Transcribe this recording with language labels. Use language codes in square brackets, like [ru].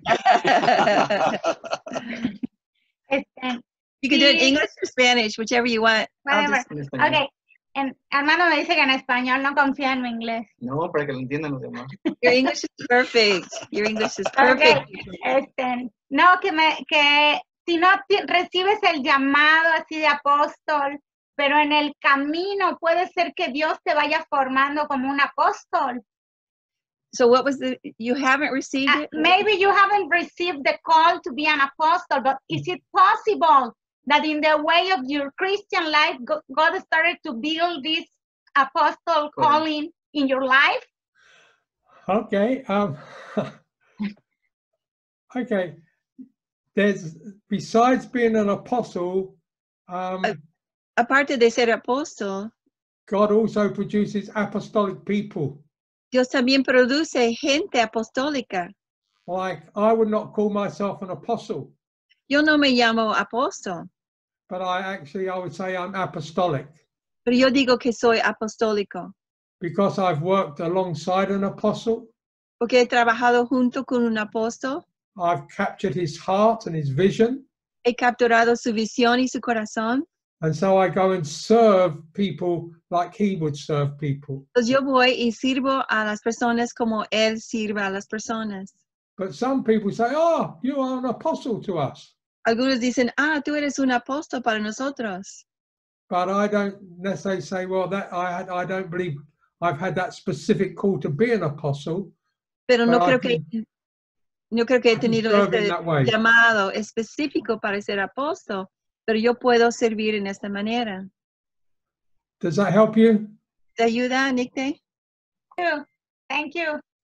[en] You can do it in English or Spanish, whichever you want. Whatever. Okay. [es] Hermano me dice que en español no confía en mi inglés. No, para que lo entiendan los demás. [en] Your English is perfect. Your English is perfect. Okay. [es] Que si no recibes el llamado así de apóstol, pero en el camino puede ser que Dios te vaya formando como un apóstol. [en] So what was the, you haven't received it? Maybe you haven't received the call to be an apostle, but is it possible that in the way of your Christian life, God started to build this apostle calling in your life? Okay. okay. There's, besides being an apostle. [es] Aparte de ser apostle. [en] God also produces apostolic people. [es] Dios también produce gente apostólica. [en] Like, I would not call myself an apostle. [es] Yo no me llamo apóstol. [en] But I would say I'm apostolic. [es] Pero yo digo que soy apostólico. [en] Because I've worked alongside an apostle. [es] Porque he trabajado junto con un apóstol. [en] I've captured his heart and his vision. [es] He capturado su visión y su corazón. [en] And so I go and serve people like he would serve people. [es] Pues yo voy y sirvo a las personas como él sirve a las personas. [en] But some people say, oh, you are an apostle to us. [es] Algunos dicen, ah, tú eres un apóstol para nosotros. [en] But I don't necessarily say, well, that I don't believe I've had that specific call to be an apostle. [es] Pero no creo que he tenido este llamado específico para ser apóstol, pero yo puedo servir en esta manera. [en] Does that help you? [es] ¿Te ayuda, Nicte? [en] Thank you.